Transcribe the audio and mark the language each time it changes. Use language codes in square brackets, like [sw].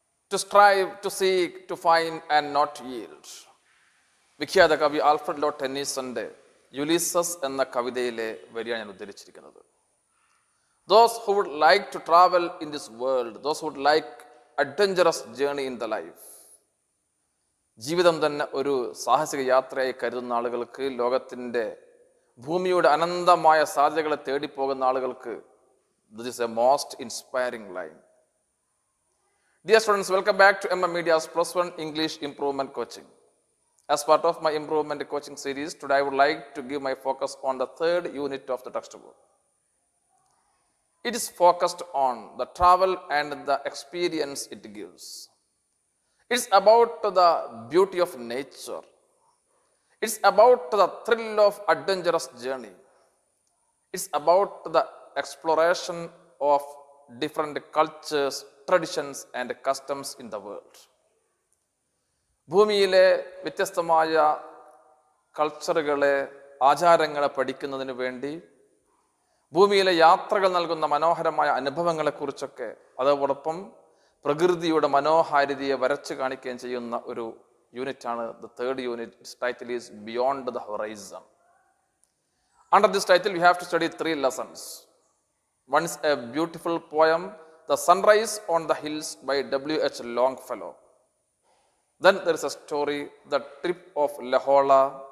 [en] to strive, to seek, to find, and not yield. [ml] വിഖ്യാത കവി Alfred Lord ടെന്നീസന്റെ Ulysses എന്ന കവിതയിലെ വരിയാണ് ഞാൻ ഉദ്ധരിച്ചിരിക്കുന്നത്. [en] Those who would like to travel in this world, those would like adventurous journey in the life. [ml] ജീവിതം തന്നെ ഒരു സാഹസിക യാത്രയായി കരുതുന്ന ആളുകൾക്ക്, ലോകത്തിൻ്റെ ഭൂമിയുടെ അനന്തമായ സാധ്യതകളെ തേടിപ്പോകുന്ന ആളുകൾക്ക്, [en] This is a most inspiring line. Dear students, welcome back to M A media's plus one English improvement coaching. As part of my improvement coaching series, today I would like to give my focus on the third unit of the textbook. It is focused on the travel and the experience it gives. It's about the beauty of nature. It's about the thrill of adventurous journey. It's about the exploration of different cultures, traditions, and customs in the world. [ml] ഭൂമിയിലെ വ്യത്യസ്തമായ കൾച്ചറുകളെ, ആചാരങ്ങളെ പഠിക്കുന്നതിന് വേണ്ടി, ഭൂമിയിലെ യാത്രകൾ നൽകുന്ന മനോഹരമായ അനുഭവങ്ങളെക്കുറിച്ചൊക്കെ, അതോടൊപ്പം പ്രകൃതിയുടെ മനോഹാരിതയെ വരച്ചു കാണിക്കുകയും ചെയ്യുന്ന ഒരു യൂണിറ്റാണ് the third unit. [en] Title is beyond the horizon. Under this title we have to study three lessons. One is a beautiful poem, the sunrise on the hills by WH Longfellow. Then there is a story, The Trip of Lahola.